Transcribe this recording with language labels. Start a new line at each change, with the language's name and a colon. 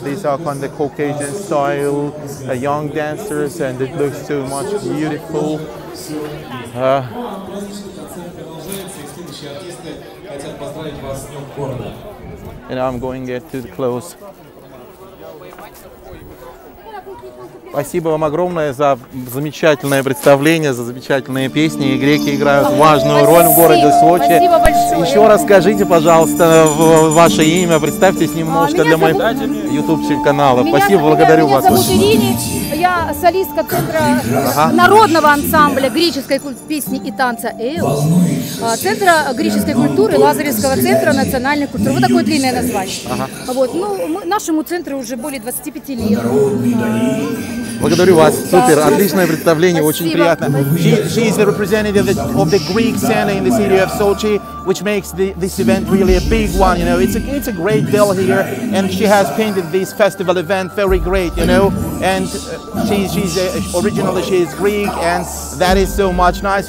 English: These are kind of the Caucasian style young dancers, and it looks so much beautiful. And I'm going to get to the close. Thank you.
Russian: Спасибо вам огромное за замечательное представление, за замечательные песни. И греки играют важную роль в городе Сочи. Спасибо большое. Еще раз скажите, пожалуйста, ваше имя. Представьтесь немножко для моих ютубчик каналов. Спасибо, благодарю вас. Меня зовут Ирина. Я солистка центра народного ансамбля греческой песни и танца «Эос», центра греческой культуры, Лазаревского центра национальной культуры. Вот такое длинное название. Ага. Вот. Ну, нашему центру уже более 25 лет. Благодарю вас, супер, отличное представление, спасибо. Очень приятно.
English: She is the representative of the Greek center in the city of Sochi, which makes this event really a big one. You know, it's a great deal here, and she has painted this festival event very great. You know, and she is Greek, and that is so much nice.